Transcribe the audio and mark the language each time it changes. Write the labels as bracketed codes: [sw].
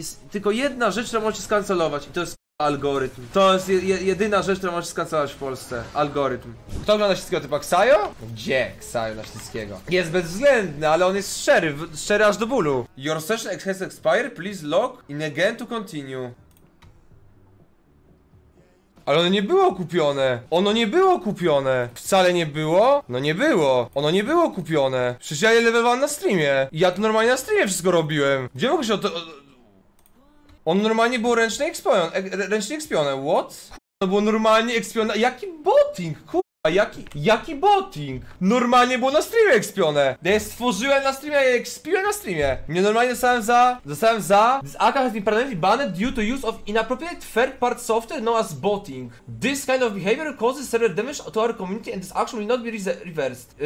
[pl] Tylko jedna rzecz, którą możesz skancelować i to jest algorytm. To jest jedyna rzecz, którą możesz skancelować w Polsce. Algorytm. Kto ogląda Ślickiego typa? Ksajo? Gdzie Ksajo na Ślickiego? Jest bezwzględny, ale on jest szczery. Szczery aż do bólu. [en] Your session has expired, please log in again to continue. [pl] Ale ono nie było kupione. Ono nie było kupione. Wcale nie było? No nie było. Ono nie było kupione. Przecież ja je levelowałem na streamie. Ja to normalnie na streamie wszystko robiłem. Gdzie mogę się o to... On normalnie był ręcznie ekspionem, [en] what? [pl] To było normalnie ekspionem, jaki botting, kurwa, jaki botting? Normalnie było na streamie ekspione. Ja je stworzyłem na streamie, ja je ekspiłem na streamie. Mnie normalnie dostałem za [en] this account has been permanently banned due to use of inappropriate third part software known as botting. This kind of behavior causes severe damage to our community and this action will not be reversed.